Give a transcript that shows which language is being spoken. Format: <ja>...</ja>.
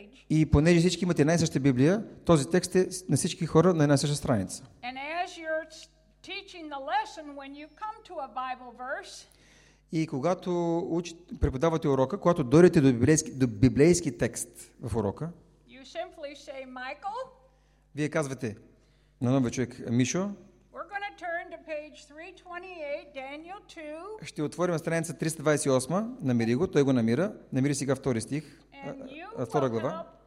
<bg>И понеже всички имате една и съща Библия, този текст е на всички хора на една и съща страница.</bg> <en>And as you're teaching the lesson, when you come to a Bible verse,</en> <bg>и когато преподавате урока, когато дойдете до библейски текст в урока,</bg> <en>you simply say, Michael,</en> <bg>вие казвате на нов човек Мишо,</bg> <en>we're gonna turn to page 328, Daniel 2,</en> <bg>ще отворим страница 328, намери го, той го намира, намери сега втори стих, втора глава.</bg>